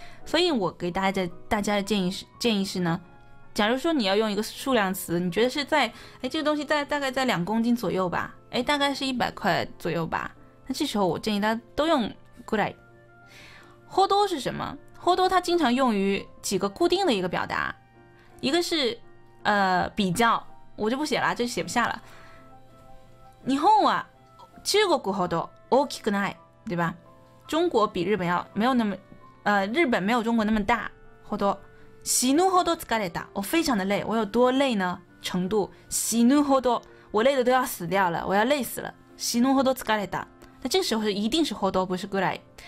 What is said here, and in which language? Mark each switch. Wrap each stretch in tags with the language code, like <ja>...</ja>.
<zh>所以我给大家的建议是呢，假如说你要用一个数量词，你觉得是在这个东西在大概在2公斤左右吧，大概是100块左右吧，那这时候我建议大家都用くらい。ほど是什么？ほど它经常用于几个固定的一个表达，一个是比较，我就不写了，这写不下了。</zh> <ja>日本は中国ほど大きくない，对吧？</ja> <zh>中国比日本要没有那么日本没有中国那么大。</zh> <ja>ほど死ぬほど疲れた，</ja> <zh>我非常的累，我有多累呢？程度</zh> <ja>死ぬほど，</ja> <zh>我累的都要死掉了，我要累死了。</zh> <ja>死ぬほど疲れた。</ja> <zh>那这个时候一定是ほど不是ぐらい。</zh>